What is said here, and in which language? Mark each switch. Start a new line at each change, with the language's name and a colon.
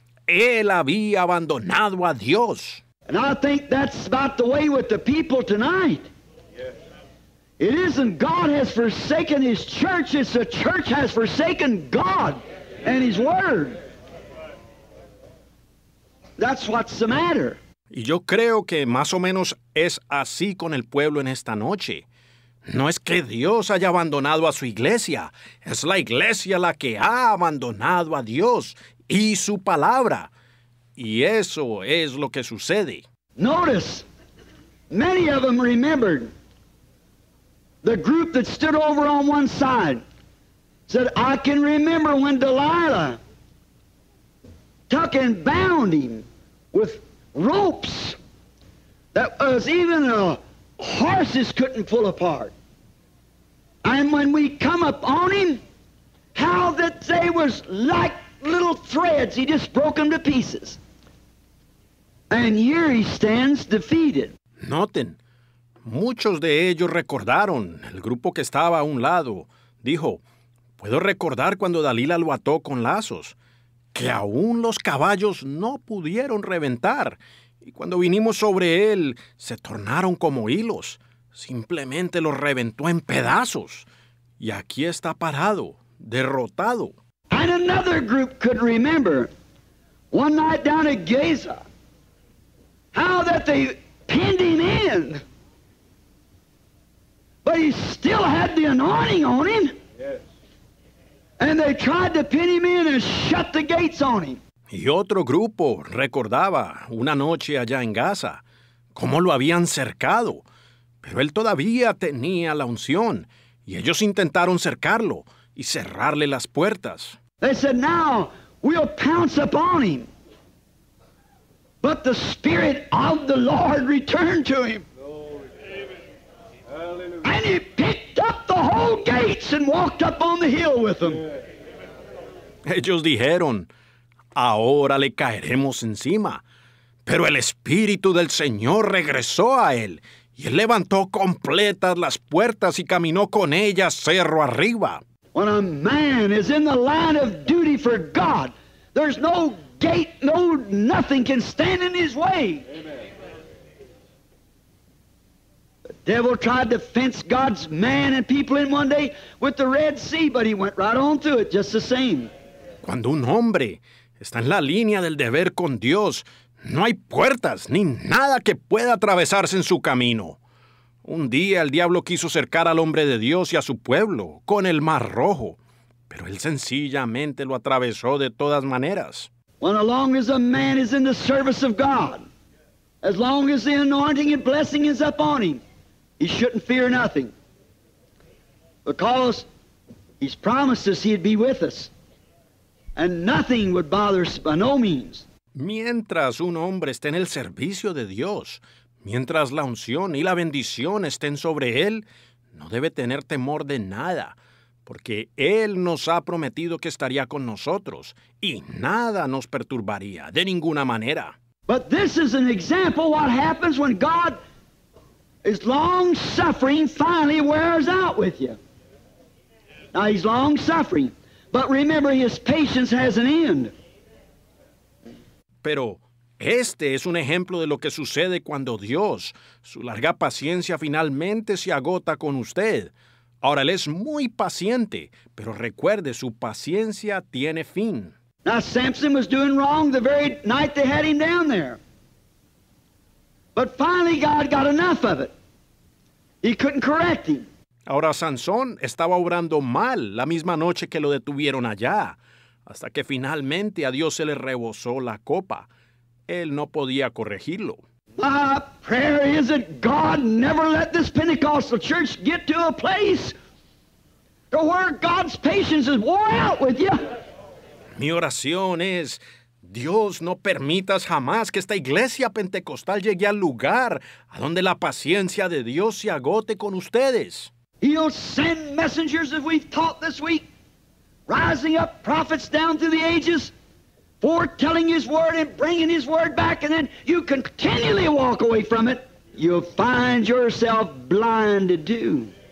Spanish: Él había abandonado a Dios.
English: And I think that's about the way with the people tonight. It isn't God has forsaken his church, it's the church has forsaken God and his word. That's what's the matter.
Spanish: Y yo creo que más o menos es así con el pueblo en esta noche. No es que Dios haya abandonado a su iglesia, es la iglesia la que ha abandonado a Dios y su palabra. Y eso es lo que sucede.
English: Notice, many of them remembered the group that stood over on one side said, I can remember when Delilah took and bound him with ropes that was even the horses couldn't pull apart. And when we come up on him, how that they was like little threads. He just broke them to pieces. And here he stands defeated.
Spanish: Noten, muchos de ellos recordaron, el grupo que estaba a un lado, dijo, puedo recordar cuando Dalila lo ató con lazos, que aún los caballos no pudieron reventar, y cuando vinimos sobre él, se tornaron como hilos, simplemente los reventó en pedazos, y aquí está parado, derrotado.
English: And another group could remember, one night down at Gaza, how that they pinned him in, but he still had the anointing on him. Yes. And they tried to pin him in and shut the gates on him.
Spanish: Y otro grupo recordaba una noche allá en Gaza, cómo lo habían cercado, pero él todavía tenía la unción, y ellos intentaron cercarlo y cerrarle las puertas.
English: They said, now we'll pounce upon him. But the Spirit of the Lord returned to him. Glory. And he picked up the whole gates and walked up on the hill with them.
Spanish: Ellos dijeron, ahora le caeremos encima. Pero el Espíritu del Señor regresó a él, y él levantó completas las puertas y caminó con ellas cerro arriba.
English: When a man is in the line of duty for God, there's no gate, no nothing can stand in his way. Amen. The devil tried to fence God's man and people in one day with the Red Sea, but he went right on through it just the same.
Spanish: Cuando un hombre está en la línea del deber con Dios, no hay puertas ni nada que pueda atravesarse en su camino. Un día el diablo quiso cercar al hombre de Dios y a su pueblo con el Mar Rojo, pero él sencillamente lo atravesó de todas maneras.
English: When as long as a man is in the service of God, as long as the anointing and blessing is upon him, he shouldn't fear nothing. Because he's promised us he'd be with us. And nothing would bother us by no means.
Spanish: Mientras un hombre esté en el servicio de Dios, mientras la unción y la bendición estén sobre él, no debe tener temor de nada. Porque Él nos ha prometido que estaría con nosotros, y nada nos perturbaría, de ninguna manera.
English: But this is an example of what happens when God is long-suffering finally wears out with you. Now, He's long-suffering, but remember, His patience has an end.
Spanish: Pero este es un ejemplo de lo que sucede cuando Dios, su larga paciencia, finalmente se agota con usted. Ahora, él es muy paciente, pero recuerde, su paciencia tiene fin.
English: Now, Samson was doing wrong the very night they had him down there. But finally, God got enough of it. He couldn't correct him.
Spanish: Ahora, Sansón estaba obrando mal la misma noche que lo detuvieron allá, hasta que finalmente a Dios se le rebosó la copa. Él no podía corregirlo.
English: My prayer is that God never let this Pentecostal church get to a place to where God's patience is worn out with you.
Spanish: Mi oración es, Dios no permitas jamás que esta iglesia pentecostal llegue al lugar a donde la paciencia de Dios se agote con ustedes.
English: He'll send messengers as we've taught this week, rising up prophets down through the ages, foretelling his word and bringing his word back, and then you continually walk away from it. Yes. you'll find yourself blind to do.